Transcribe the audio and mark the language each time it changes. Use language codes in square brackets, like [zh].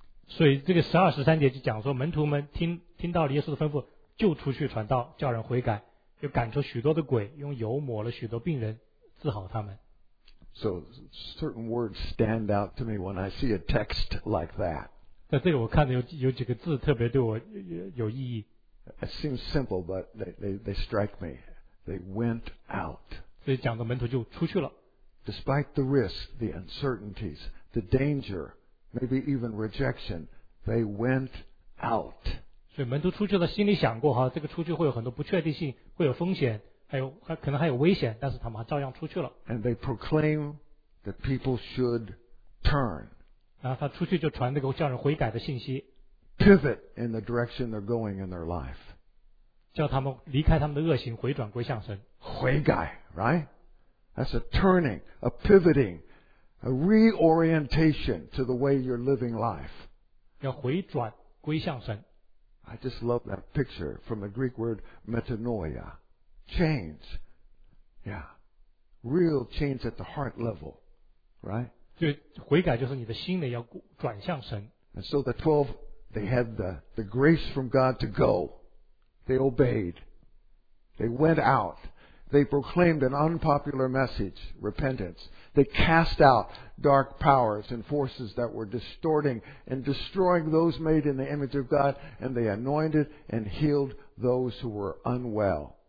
[zh] 所以这个十二十三节就讲说，门徒们听到了耶稣的吩咐，就出去传道，叫人悔改，又赶出许多的鬼，用油抹了许多病人，治好他们。 [en] So certain words stand out to me when I see a text like that. [zh] 那这个我看的有几个字特别对我有意义。 [en] It seems simple, but they strike me. They went out. [zh] 所以讲的门徒就出去了。 [en] Despite the risk, the uncertainties, the danger. Maybe even rejection. They went out. [zh] 所以门徒出去了，心里想过哈，这个出去会有很多不确定性，会有风险，可能还有危险, 但是他们照样出去了。 [en] And they proclaim that people should turn. [zh] 然后他出去就传这个叫人悔改的信息。 [en] Pivot in the direction they're going in their life. [zh] 叫他们离开他们的恶行, 回转归向神。悔改, right? [en] That's a turning, a pivoting, a reorientation to the way you're living life. [zh] 要回转归向神。 [en] I just love that picture from the Greek word metanoia. Change. Yeah. Real change at the heart level. Right? [zh] 悔改就是你的心里要转向神。 [en] And so the 12, they had the grace from God to go. They obeyed. They went out. They proclaimed an unpopular message, repentance. They cast out dark powers and forces that were distorting and destroying those made in the image of God, and they anointed and healed those who were unwell.